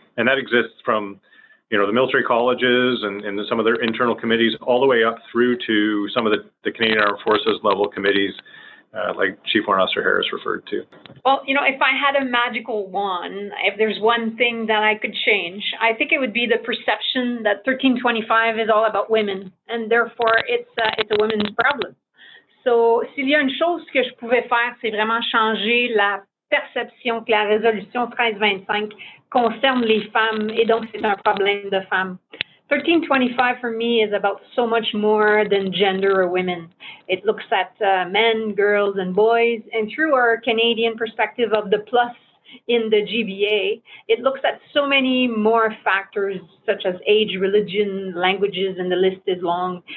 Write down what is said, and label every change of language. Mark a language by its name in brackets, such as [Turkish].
[English] And that exists from, you know, the military colleges and some of their internal committees, all the way up through to some of the Canadian Armed Forces level committees like Chief Warrant Officer Harris referred to. Well, you know, if I had a magical wand, if there's one thing that I could change, I think it would be the perception that 1325 is all about women, and therefore it's a women's problem. [French] So, s'il y a une chose que je pouvais faire, c'est vraiment changer la perception que la résolution 1325 concerne les femmes, et donc c'est un problème de femmes. [English] 1325 for me is about so much more than gender or women. It looks at men, girls, and boys. And through our Canadian perspective of the plus in the GBA, it looks at so many more factors such as age, religion, languages, and the list is long.